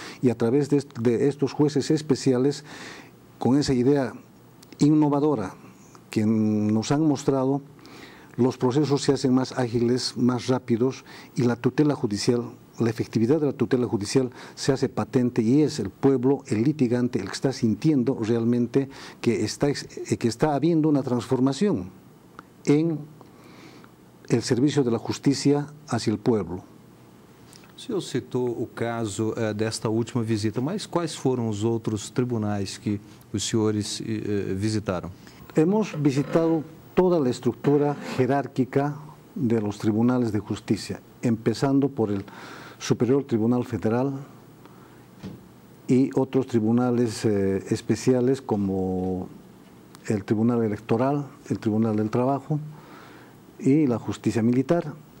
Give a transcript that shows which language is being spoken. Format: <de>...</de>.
<es>Y a través de estos jueces especiales, con esa idea innovadora que nos han mostrado, los procesos se hacen más ágiles, más rápidos, y la tutela judicial, la efectividad de la tutela judicial se hace patente, y es el pueblo, el litigante, el que está sintiendo realmente que está habiendo una transformación en el servicio de la justicia hacia el pueblo.</es> <pt>O senhor citou o caso desta última visita, mas quais foram os outros tribunais que os senhores visitaram?</pt> <es>Hemos visitado toda la estructura jerárquica de los tribunales de justicia, empezando por el Superior Tribunal Federal y otros tribunales especiales como el Tribunal Electoral, el Tribunal del Trabajo y la Justicia Militar.</es>